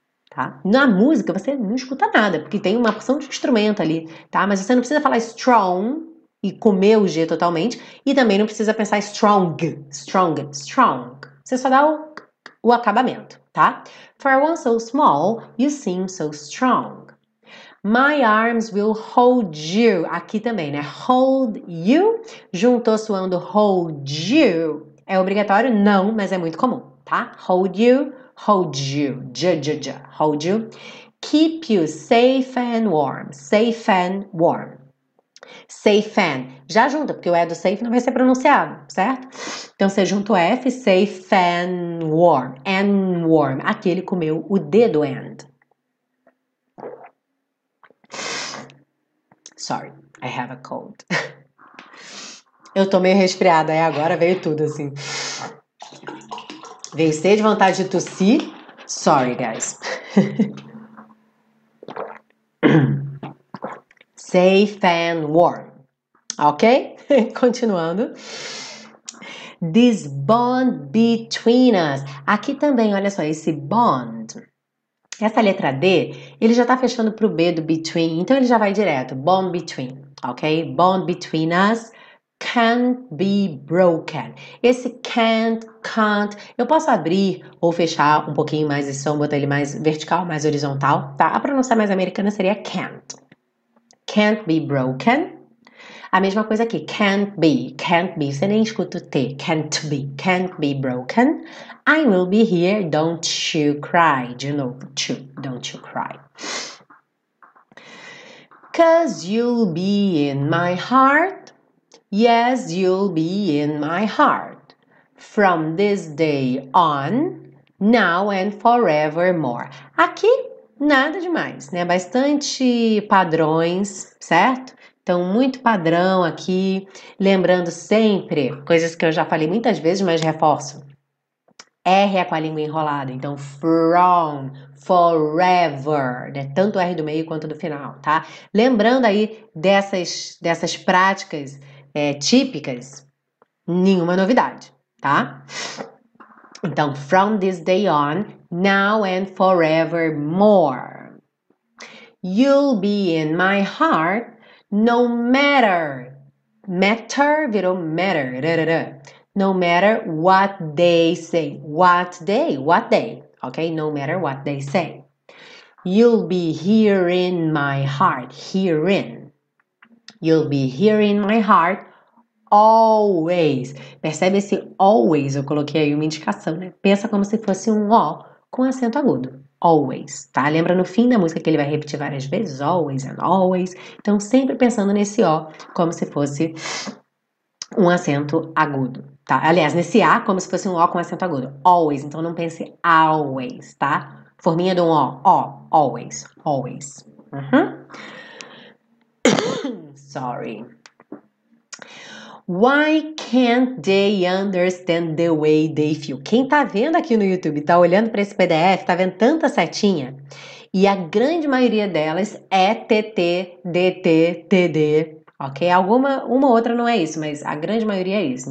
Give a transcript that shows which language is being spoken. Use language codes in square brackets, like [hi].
[pt] Tá? Na música você não escuta nada, porque tem uma porção de instrumento ali, tá? Mas você não precisa falar strong e comer o G totalmente, e também não precisa pensar strong, strong, strong. Você só dá o acabamento, tá? [en] For one so small, you seem so strong. My arms will hold you. [pt] Aqui também, né? [en] Hold you. [pt] Juntou soando hold you. É obrigatório? Não, mas é muito comum, tá? [en] Hold you, hold you. [pt] J-j-j-j. [en] Hold you. Keep you safe and warm. Safe and warm. Safe and. [pt] Já junta, porque o E do safe não vai ser pronunciado, certo? Então você junta o F, safe and warm. And warm. Aqui ele comeu o D do and. [en] Sorry, I have a cold. [pt] Eu tô meio resfriada, é agora veio tudo assim. Veio sede, vontade de tossir. [en] Sorry, guys. Safe and warm. Ok? Continuando. This bond between us. [pt] Aqui também, olha só, esse bond. Essa letra D, ele já tá fechando pro B do between. Então, ele já vai direto. Bond between. Ok? [en] Bond between us can't be broken. [pt] Esse can't. Eu posso abrir ou fechar um pouquinho mais esse som, botar ele mais vertical, mais horizontal, tá? A pronúncia mais americana seria can't. [en] Can't be broken. [pt] A mesma coisa aqui, [en] can't be, você nem escuta o T, can't be broken, I will be here, don't you cry, de novo, don't you cry, 'cause you'll be in my heart, yes, you'll be in my heart, from this day on, now and forevermore. [pt] Aqui, nada demais, né, bastante padrões, certo? Então, muito padrão aqui, lembrando sempre coisas que eu já falei muitas vezes, mas reforço. R é com a língua enrolada, então from, forever, né? Tanto o R do meio quanto do final, tá? Lembrando aí dessas práticas típicas, nenhuma novidade, tá? [en] Então, from this day on, now and forevermore. You'll be in my heart. No matter, matter virou matter, rarara. No matter what they say, what they, okay? No matter what they say, you'll be here in my heart, herein. You'll be here in my heart always. [pt] Percebe esse always? Eu coloquei aí uma indicação, né? Pensa como se fosse um O com acento agudo. Always, tá? Lembra no fim da música que ele vai repetir várias vezes? [en] Always and always. [pt] Então, sempre pensando nesse O como se fosse um acento agudo, tá? Aliás, nesse A como se fosse um O com acento agudo. Always. Então, não pense always, tá? Forminha de um O. O. Always. Always. [en] Sorry. Why can't they understand the way they feel? [pt] Quem tá vendo aqui no YouTube, tá olhando para esse PDF, tá vendo tanta setinha? E a grande maioria delas é TT, DT, TD, ok? Alguma, uma outra não é isso, mas a grande maioria é isso.